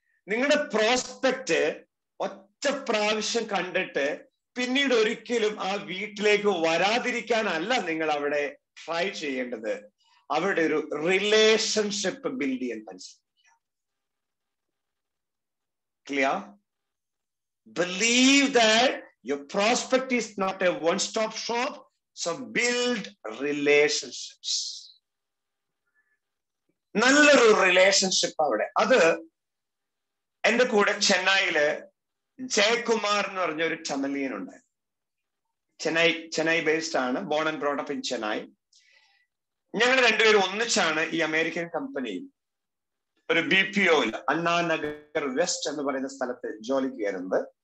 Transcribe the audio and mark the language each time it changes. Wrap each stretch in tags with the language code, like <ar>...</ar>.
<ml>നിങ്ങളുടെ പ്രോസ്പെക്ട് ഒറ്റ പ്രാവശ്യം കണ്ടിട്ട് പിന്നീട് ഒരിക്കലും ആ വീട്ടിലേക്ക് വരാതിരിക്കാനല്ല നിങ്ങൾ അവിടെ ട്രൈ ചെയ്യേണ്ടത്, അവിടെ ഒരു റിലേഷൻഷിപ്പ് ബിൽഡ് ചെയ്യാൻ മനസ്സിലാക്കി.</ml> <en>Clear? Believe that your prospect is not a one-stop shop, so build relationships.</en> <ml>നല്ലൊരു relationship അവിടെ. അത് എന്റെ കൂടെ ചെന്നൈയിലെ ജയകുമാർ എന്ന് പറഞ്ഞ ഒരു ചമലിയൻ ഉണ്ട്. ചെന്നൈ ബേസ്ഡ് ആണ്,</ml> <en>Born and brought up in Chennai.</en> <ml>ഞങ്ങൾ രണ്ടുപേരും ഒന്നിച്ചാണ് ഈ അമേരിക്കൻ കമ്പനിയിൽ ഒരു B P O Anna Nagar west എന്ന് പറയുന്ന സ്ഥലത്ത് ജോലിക്ക് കയറുന്നത്.</ml>